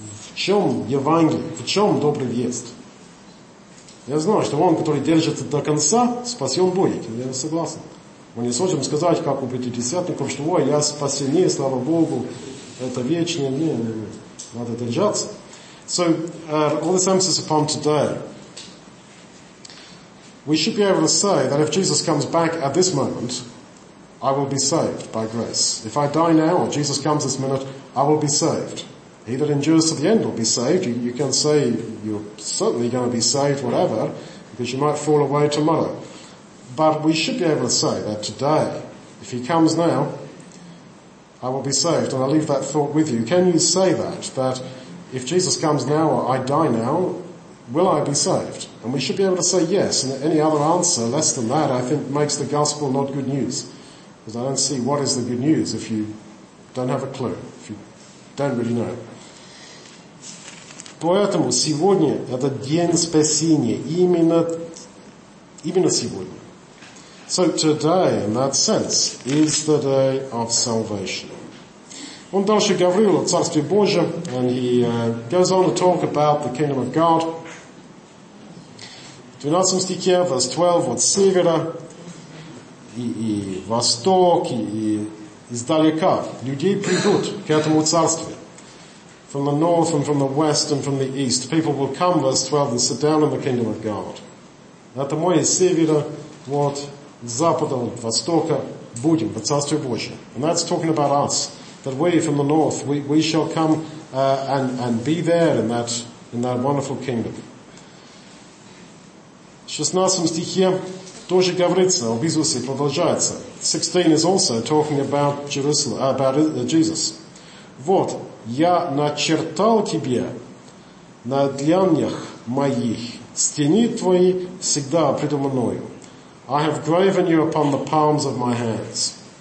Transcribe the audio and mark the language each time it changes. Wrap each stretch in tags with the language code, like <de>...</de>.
<ru>В чем Евангелие? В чем добрый весть? Я знаю, что он, который держится до конца, спасен будет. Я согласен. Мы не сможем сказать, как у пятидесятников, что ой, я спасен, слава Богу, это вечно. Не, надо держаться.</ru> <en>So, all this emphasis upon today. We should be able to say that if Jesus comes back at this moment, I will be saved by grace. If I die now, or Jesus comes this minute, I will be saved. He that endures to the end will be saved. You can say you're certainly going to be saved, whatever, because you might fall away tomorrow. But we should be able to say that today, if he comes now, I will be saved. And I'll leave that thought with you. Can you say that, that if Jesus comes now or I die now, will I be saved? And we should be able to say yes. And any other answer less than that, I think, makes the gospel not good news. Because I don't see what is the good news if you don't have a clue, if you don't really know.</en> <ru>Поэтому сегодня это день спасения. Именно сегодня.</ru> <en>So today, in that sense, is the day of salvation.</en> <ru>Он дальше говорил о Царстве Божьем,</ru> <en>and he goes on to talk about the kingdom of God.</en> <ru>В 12 стихе,</ru> <en>verse 12,</en> <ru>от севера и восток, и издалека людей придут к этому царству.</ru> <en>From the north and from the west and from the east, people will come, verse 12, and sit down in the kingdom of God.</en> <ru>Это мой севера, вот запада, востока, будем в Царстве Божьем.</ru> <en>And that's talking about us, that we from the north, we shall come and be there in that wonderful kingdom.</en> <ru>В 16 стихе тоже говорится об Иисусе, продолжается.</ru> <en>16 is also talking about Jerusalem, about Jesus.</en> <ru>Вот, я начертал тебе на дланях моих, стени твои всегда предо мною.</ru> <en>I have graven you upon the palms of my hands.</en>